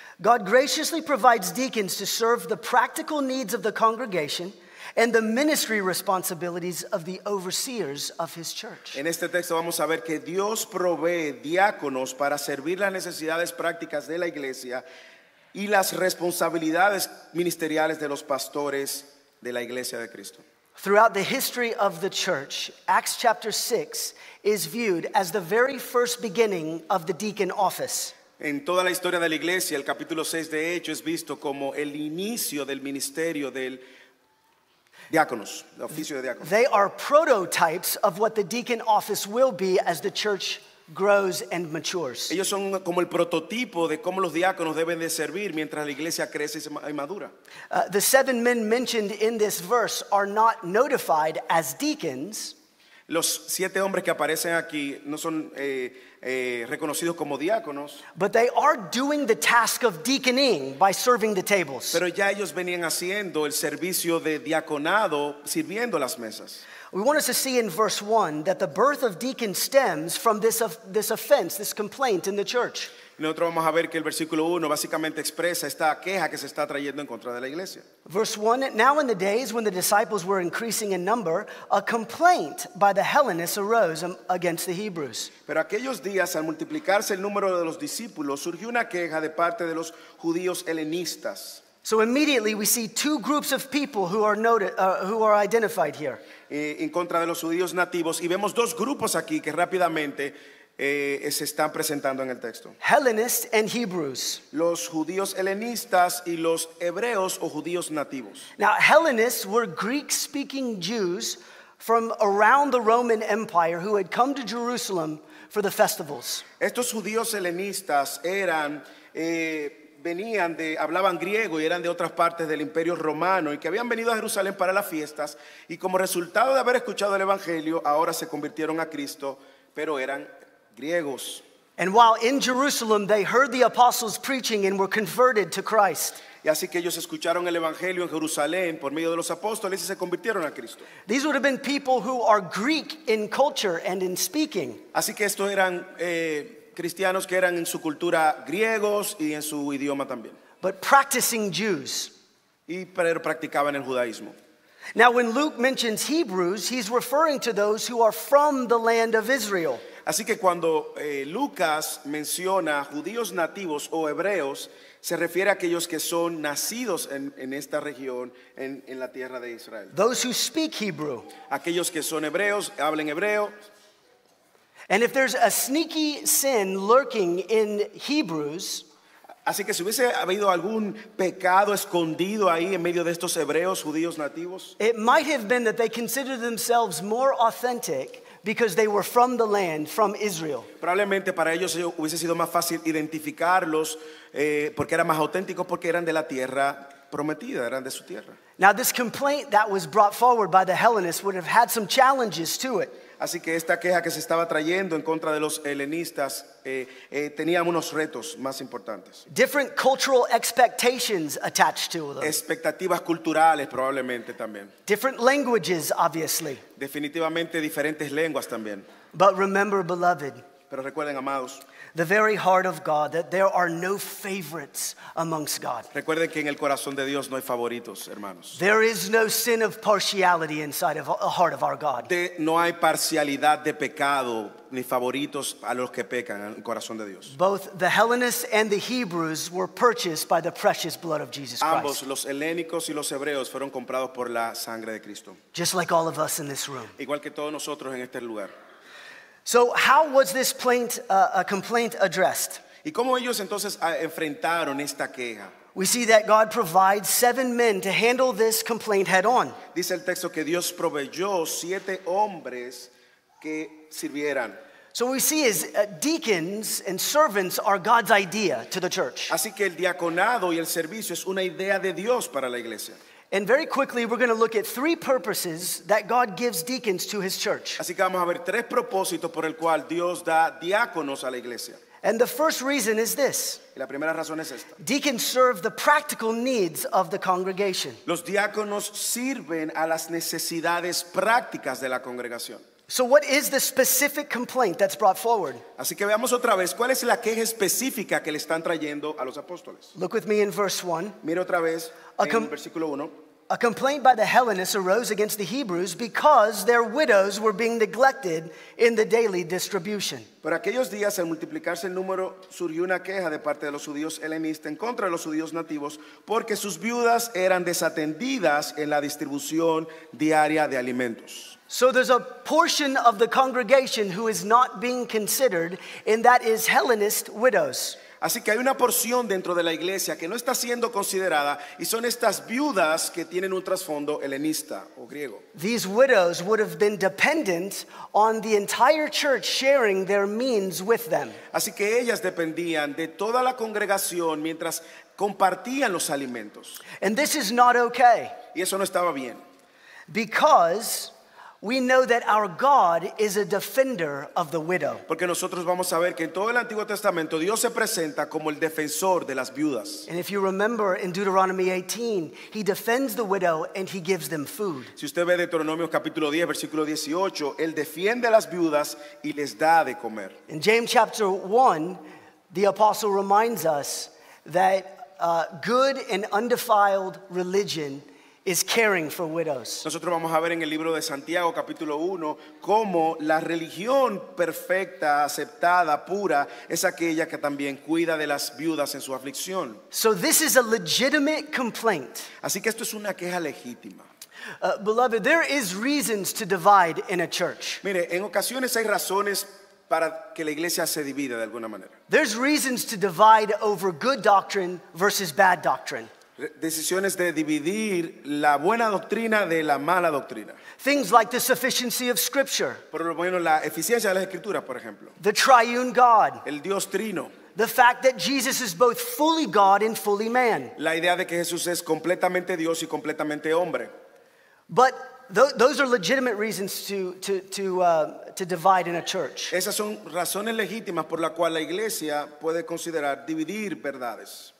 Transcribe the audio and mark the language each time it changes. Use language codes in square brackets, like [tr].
[en] God graciously provides deacons to serve the practical needs of the congregation and the ministry responsibilities of the overseers of his church. [es] En este texto vamos a ver que Dios provee diáconos para servir las necesidades prácticas de la iglesia y las responsabilidades ministeriales de los pastores de la iglesia de Cristo. [en] Throughout the history of the church, Acts chapter 6 is viewed as the very first beginning of the deacon office. [es] En toda la historia de la iglesia, el capítulo 6 de Hechos es visto como el inicio del ministerio del diáconos, el oficio de diáconos. [en] They are prototypes of what the deacon office will be as the church grows and matures. [es] Ellos son como el prototipo de cómo los diáconos deben de servir mientras la iglesia crece y madura. [en] The seven men mentioned in this verse are not notified as deacons. [es] Los siete hombres que aparecen aquí no son reconocidos como diáconos. [en] But they are doing the task of deaconing by serving the tables. [es] Pero ya ellos venían haciendo el servicio de diaconado sirviendo las mesas. [en] We want us to see in verse 1 that the birth of deacons stems from this offense, this complaint in the church. [es] Nosotros vamos a ver que el versículo 1 básicamente expresa esta queja que se está trayendo en contra de la iglesia. [en] Verse 1, now in the days when the disciples were increasing in number, a complaint by the Hellenists arose against the Hebrews. [es] Pero aquellos días, al multiplicarse el número de los discípulos, surgió una queja de parte de los judíos helenistas. [en] So immediately we see two groups of people who are noted, who are identified here. [es] En contra de los judíos nativos, y vemos dos grupos aquí que rápidamente se están presentando en el texto. [en] Hellenists and Hebrews. [es] Los judíos helenistas y los hebreos o judíos nativos. [en] Now Hellenists were Greek-speaking Jews from around the Roman Empire who had come to Jerusalem for the festivals. [es] Estos judíos helenistas eran venían de, hablaban griego y eran de otras partes del Imperio Romano y que habían venido a Jerusalén para las fiestas y como resultado de haber escuchado el Evangelio, ahora se convirtieron a Cristo, pero eran griegos. [en] And while in Jerusalem, they heard the apostles preaching and were converted to Christ. [es] Y así que ellos escucharon el Evangelio en Jerusalén por medio de los apóstoles y se convirtieron a Cristo. [en] These would have been people who are Greek in culture and in speaking. [es] Así que estos eran cristianos que eran en su cultura griegos y en su idioma también. [en] But practicing Jews. [es] Y pero practicaban el judaísmo. [en] Now when Luke mentions Hebrews, he's referring to those who are from the land of Israel. [es] Así que cuando Lucas menciona judíos nativos o hebreos, se refiere a aquellos que son nacidos en esta región, en la tierra de Israel. [en] Those who speak Hebrew. [es] Aquellos que son hebreos, hablen hebreo. [en] And if there's a sneaky sin lurking in Hebrews, [es] así que si hubiese habido algún pecado escondido ahí en medio de estos hebreos judíos nativos, [en] it might have been that they considered themselves more authentic because they were from the land, from Israel. [es] Probablemente para ellos hubiese sido más fácil identificarlos porque eran más auténticos porque eran de la tierra prometida, eran de su tierra. [en] Now this complaint that was brought forward by the Hellenists would have had some challenges to it. [es] Así que esta queja que se estaba trayendo en contra de los helenistas tenía unos retos más importantes. [en] Different cultural expectations attached to them. [es] Expectativas culturales probablemente también. [en] Different languages, obviously. [es] Definitivamente diferentes lenguas también. [en] But remember, beloved, [es] pero recuerden, amados, [en] the very heart of God, that there are no favorites amongst God. [es] Recuerden que en el corazón de Dios no hay favoritos, hermanos. [en] There is no sin of partiality inside of the heart of our God. [es] No hay parcialidad de pecado ni favoritos a los que pecan en el corazón de Dios. [en] Both the Hellenists and the Hebrews were purchased by the precious blood of Jesus Christ. [es] Ambos, los helénicos y los hebreos, fueron comprados por la sangre de Cristo. [en] Just like all of us in this room. [es] Igual que todos nosotros en este lugar. [en] So how was this complaint addressed? [es] ¿Y cómo ellos entonces enfrentaron esta queja? [en] We see that God provides seven men to handle this complaint head on. [es] Dice el texto que Dios proveyó siete hombres que sirvieran. [en] So we see is deacons and servants are God's idea to the church. [es] Así que el diaconado y el servicio es una idea de Dios para la iglesia. [en] And very quickly, we're going to look at three purposes that God gives deacons to his church. [es] Así que vamos a ver tres propósitos por el cual Dios da diáconos a la iglesia. [en] And the first reason is this. [es] Y la primera razón es esta. [en] Deacons serve the practical needs of the congregation. [es] Los diáconos sirven a las necesidades prácticas de la congregación. [en] So what is the specific complaint that's brought forward? [es] Así que veamos otra vez, ¿cuál es la queja específica que le están trayendo a los apóstoles? [en] Look with me in verse 1. [es] Mire otra vez en versículo 1. [en] A complaint by the Hellenists arose against the Hebrews because their widows were being neglected in the daily distribution. [es] Por aquellos días, al multiplicarse el número, surgió una queja de parte de los judíos helenistas en contra de los judíos nativos porque sus viudas eran desatendidas en la distribución diaria de alimentos. [en] So there's a portion of the congregation who is not being considered, and that is Hellenist widows. [es] Así que hay una porción dentro de la iglesia que no está siendo considerada, y son estas viudas que tienen un trasfondo helenista o griego. [en] These widows would have been dependent on the entire church sharing their means with them. [es] Así que ellas dependían de toda la congregación mientras compartían los alimentos. [en] And this is not okay. [es] Y eso no estaba bien. [en] Because we know that our God is a defender of the widow. [es] Porque nosotros vamos a ver que en todo el Antiguo Testamento Dios se presenta como el defensor de las viudas. [en] And if you remember in Deuteronomy 18, he defends the widow and he gives them food. [es] Si usted ve Deuteronomio capítulo 10 versículo 18, él defiende a las viudas y les da de comer. [en] In James chapter 1, the apostle reminds us that good and undefiled religion is caring for widows. [es] Nosotros vamos a ver en el libro de Santiago capítulo 1 cómo la religión perfecta, aceptada, pura es aquella que también cuida de las viudas en su aflicción. [en] So this is a legitimate complaint. [es] Así que esto es una queja legítima. [en] Beloved, there is reasons to divide in a church. [es] Mire, en ocasiones hay razones para que la iglesia se divida de alguna manera. [en] There's reasons to divide over good doctrine versus bad doctrine. [es] Decisiones de dividir la buena doctrina de la mala doctrina. [en] Things like the sufficiency of Scripture. [es] Por lo menos la eficiencia de las escrituras, por ejemplo. [en] The triune God. [es] El Dios trino. [en] The fact that Jesus is both fully God and fully man. [es] La idea de que Jesús es completamente Dios y completamente hombre. [en] But those are legitimate reasons to divide in a church. [es] Esas son razones legítimas por la cual la iglesia puede considerar dividir verdades.